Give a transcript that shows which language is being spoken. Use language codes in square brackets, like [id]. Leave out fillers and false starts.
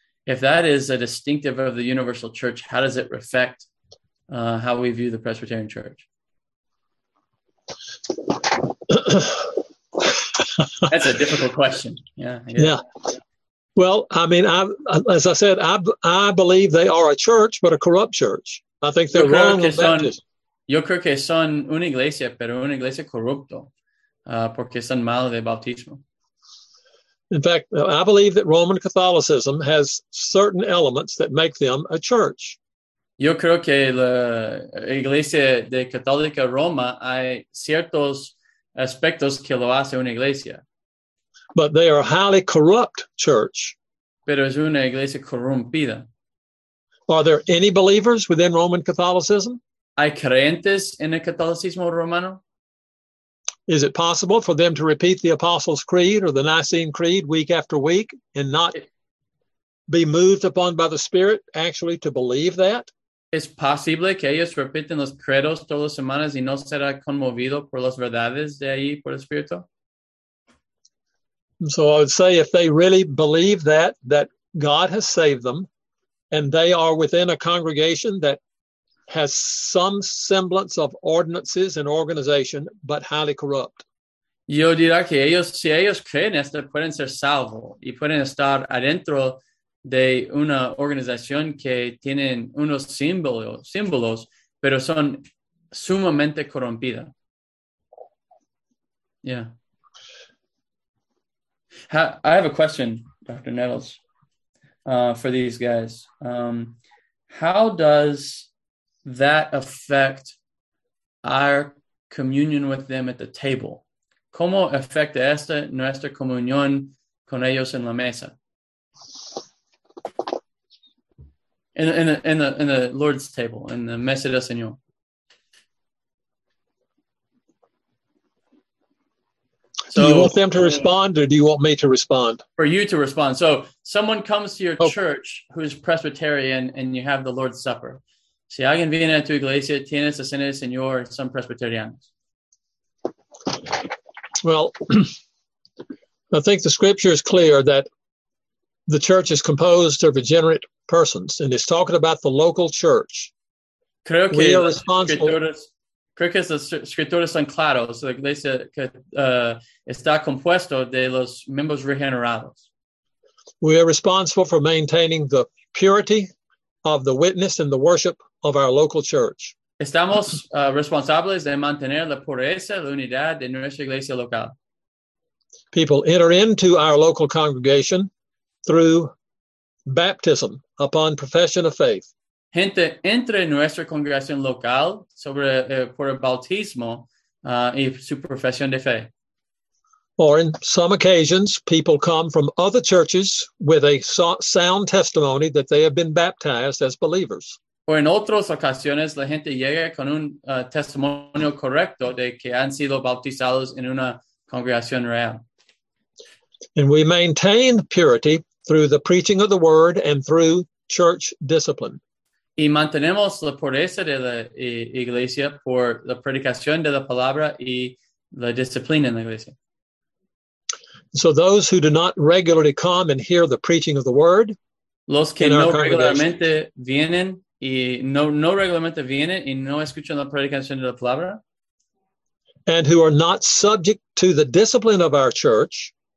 [en] If that is a distinctive of the universal church, how does it reflect how we view the Presbyterian Church? That's a difficult question. Yeah. Well, I mean, I believe they are a church, but a corrupt church. I think they're wrong with baptism. [es] Yo creo que son una iglesia, pero una iglesia corrupto, porque son mal de bautismo. [en] In fact, I believe that Roman Catholicism has certain elements that make them a church. [es] Yo creo que la iglesia de Católica Roma hay ciertos aspectos que lo hace una iglesia. [en] But they are a highly corrupt church. [es] Pero es una iglesia corrompida. [en] Are there any believers within Roman Catholicism? [es] ¿Hay creyentes en el catolicismo romano? [en] Is it possible for them to repeat the Apostles' Creed or the Nicene Creed week after week and not be moved upon by the Spirit actually to believe that? [es] ¿Es posible que ellos repiten los credos todas las semanas y no será conmovido por las verdades de ahí por el Espíritu? [en] So I would say if they really believe that God has saved them and they are within a congregation that has some semblance of ordinances and organization, but highly corrupt. [es] Yo diría que ellos, si ellos creen esto, pueden ser salvos y pueden estar adentro de una organización que tienen unos símbolos, pero son sumamente corrompida. [en] Yeah. I have a question, Dr. Nettles, for these guys. How does that affect our communion with them at the table? [es] ¿Cómo afecta esta nuestra comunión con ellos en la mesa? [en] In the Lord's table, in the [es] mesa del Señor. [en] So, do you want them to respond or do you want me to respond? For you to respond. So someone comes to your church who's Presbyterian and you have the Lord's Supper. [es] Si alguien viene a tu iglesia, tienes la cena del Señor, son Presbyterianos. [en] Well, I think the scripture is clear that the church is composed of regenerate persons and it's talking about the local church. [es] Creo que [en] we are responsible. [es] Creo que las escrituras son claras. La iglesia que, está compuesto de los miembros regenerados. [en] We are responsible for maintaining the purity of the witness and the worship of our local church. [es] Estamos responsables de mantener la pureza, la unidad de nuestra iglesia local. [en] People enter into our local congregation through baptism upon profession of faith. [es] Gente entra en nuestra congregación local sobre por el bautismo y su profesión de fe. [en] Or in some occasions, people come from other churches with a sound testimony that they have been baptized as believers. [es] O en otras ocasiones, la gente llega con un testimonio correcto de que han sido bautizados en una congregación real. [en] And we maintain purity through the preaching of the word and through church discipline. [es] Y mantenemos la pureza de la iglesia por la predicación de la palabra y la disciplina en la iglesia. [en] So those who do not regularly come and hear the preaching of the word, [es] los que no regularmente vienen y no regularmente vienen y no escuchan la predicación de la palabra, [en] and who are not subject to the discipline of our church,